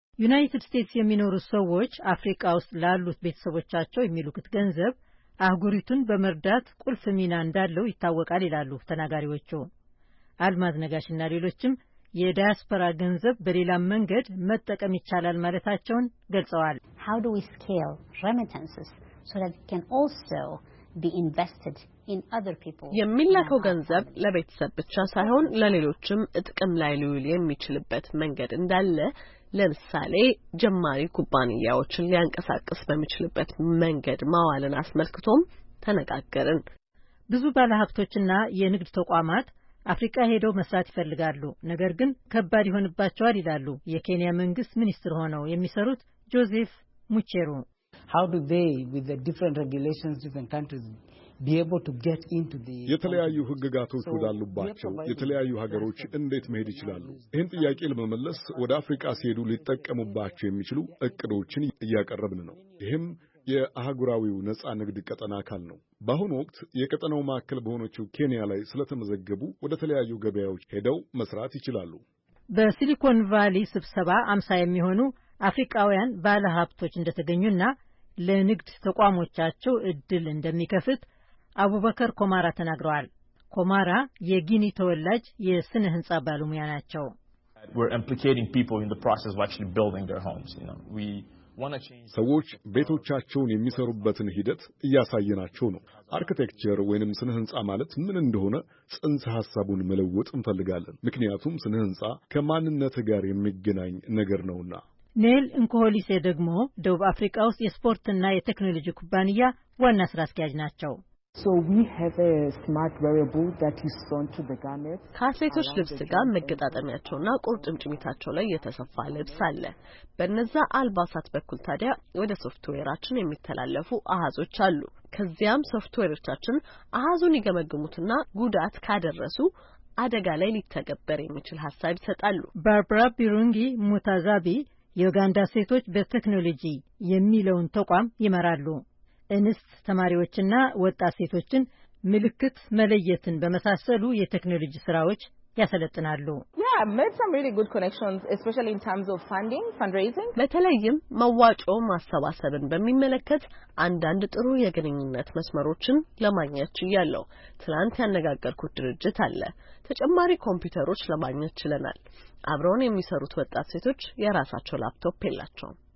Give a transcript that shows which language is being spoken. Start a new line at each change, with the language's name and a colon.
Amharic: ዩናይትድ ስቴትስ የሚኖሩ ሰዎች አፍሪካ ውስጥ ላሉት ቤተሰቦቻቸው የሚልኩት ገንዘብ አህጉሪቱን በመርዳት ቁልፍ ሚና እንዳለው ይታወቃል ይላሉ ተናጋሪዎቹ። አልማዝ ነጋሽና ሌሎችም የዲያስፖራ ገንዘብ በሌላ መንገድ መጠቀም ይቻላል ማለታቸውን ገልጸዋል።
English: How do we scale remittances so that it can also be invested in other people?
Amharic: የሚላከው ገንዘብ ለቤተሰብ ብቻ ሳይሆን ለሌሎችም እጥቅም ላይ ሊውል የሚችልበት መንገድ እንዳለ ለምሳሌ ጀማሪ ኩባንያዎችን ሊያንቀሳቅስ በሚችልበት መንገድ ማዋልን አስመልክቶም ተነጋገርን። ብዙ ባለሀብቶችና የንግድ ተቋማት አፍሪካ ሄደው መስራት ይፈልጋሉ፣ ነገር ግን ከባድ ይሆንባቸዋል ይላሉ የኬንያ መንግስት ሚኒስትር ሆነው የሚሰሩት ጆዜፍ ሙቼሩ።
English: How do they with the different regulations different countries be able to get into the
Amharic: የተለያዩ ህግጋቶች ወዳሉባቸው የተለያዩ ሀገሮች እንዴት መሄድ ይችላሉ? ይህን ጥያቄ ለመመለስ ወደ አፍሪካ ሲሄዱ ሊጠቀሙባቸው የሚችሉ እቅዶችን እያቀረብን ነው። ይህም የአህጉራዊው ንጻ ንግድ ቀጠና አካል ነው። በአሁን ወቅት የቀጠናው ማዕከል በሆነችው ኬንያ ላይ ስለተመዘገቡ ወደ ተለያዩ ገበያዎች ሄደው መስራት ይችላሉ። በሲሊኮን ቫሊ ስብሰባ 50 የሚሆኑ አፍሪካውያን ባለሀብቶች እንደተገኙና ለንግድ ተቋሞቻቸው እድል እንደሚከፍት አቡበከር ኮማራ ተናግረዋል። ኮማራ የጊኒ ተወላጅ የስነ ህንጻ ባለሙያ ናቸው።
English: We're implicating people in the process of actually building their homes, you know. We want to change
Amharic: ሰዎች ቤቶቻቸውን የሚሰሩበትን ሂደት እያሳየናቸው ነው። አርክቴክቸር ወይንም ስነ ህንጻ ማለት ምን እንደሆነ ጽንሰ ሐሳቡን መለወጥ እንፈልጋለን። ምክንያቱም ስነ ህንጻ ከማንነት ጋር የሚገናኝ ነገር ነውና። ኔል እንኮሊሴ ደግሞ ደቡብ አፍሪካ ውስጥ የስፖርትና የቴክኖሎጂ ኩባንያ ዋና ስራ አስኪያጅ ናቸው።
English: So we have a smart wearable that is sewn to the garment.
Amharic: ካሴቶች ልብስ ጋር መገጣጠሚያቸውና ቁርጥምጭሚታቸው ላይ የተሰፋ ልብስ አለ። በነዛ አልባሳት በኩል ታዲያ ወደ ሶፍትዌራችን የሚተላለፉ አሃዞች አሉ። ከዚያም ሶፍትዌሮቻችን አሃዙን ይገመግሙትና ጉዳት ካደረሱ አደጋ ላይ ሊተገበር የሚችል ሐሳብ ይሰጣሉ። ባርብራ ቢሩንጊ ሙታዛቢ የዩጋንዳ ሴቶች በቴክኖሎጂ የሚለውን ተቋም ይመራሉ። እንስት ተማሪዎችና ወጣት ሴቶችን ምልክት መለየትን በመሳሰሉ የቴክኖሎጂ ስራዎች ያሰለጥናሉ።
English: Yeah, I made some really good connections especially in terms of funding, fundraising.
Amharic: በተለይም መዋጮ ማሰባሰብን በሚመለከት አንዳንድ ጥሩ የግንኙነት መስመሮችን ለማግኘት ይያለው። ትላንት ያነጋገርኩት ድርጅት አለ። ተጨማሪ ኮምፒውተሮች ለማግኘት ይችላል። አብሮን የሚሰሩት ወጣት ሴቶች የራሳቸው ላፕቶፕ ያላቸው።